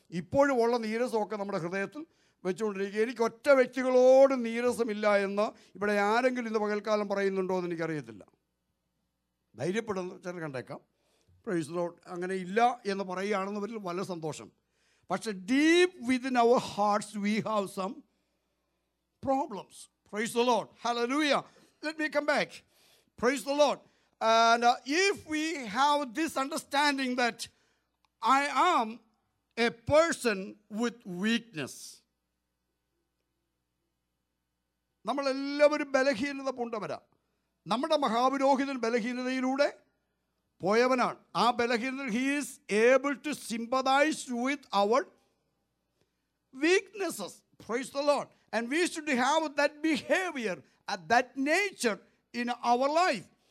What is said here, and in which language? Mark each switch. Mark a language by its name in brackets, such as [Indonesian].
[Malayalam] ഇപ്പോഴും ഉള്ള നീരസമൊക്കെ നമ്മുടെ ഹൃദയത്തിൽ വെച്ചുകൊണ്ടിരിക്കുക. എനിക്ക് ഒറ്റ വ്യക്തികളോട് നീരസമില്ല എന്ന് ഇവിടെ ആരെങ്കിലും ഇന്ന് പകൽക്കാലം പറയുന്നുണ്ടോ എന്ന് എനിക്കറിയത്തില്ല. ധൈര്യപ്പെടുന്ന ചില കണ്ടേക്കാം, [English] praise Lord, [Malayalam] അങ്ങനെ ഇല്ല എന്ന് പറയുകയാണെന്നവരിൽ വലിയ സന്തോഷം. [English] പക്ഷെ deep within our hearts we have some problems. Praise the Lord, hallelujah, let me come back. Praise the Lord. And if we have this understanding that I am a person with weakness, [Malayalam] നമ്മളെല്ലാവരും ബലഹീനത പൂണ്ടവരാ. നമ്മുടെ മഹാപുരോഹിതൻ ബലഹീനതയിലൂടെ പോയവനാണ്. ആ ബലഹീനത, [English] He is able to sympathise with our weaknesses. Praise the Lord. And we should have that behaviour, that nature in our life.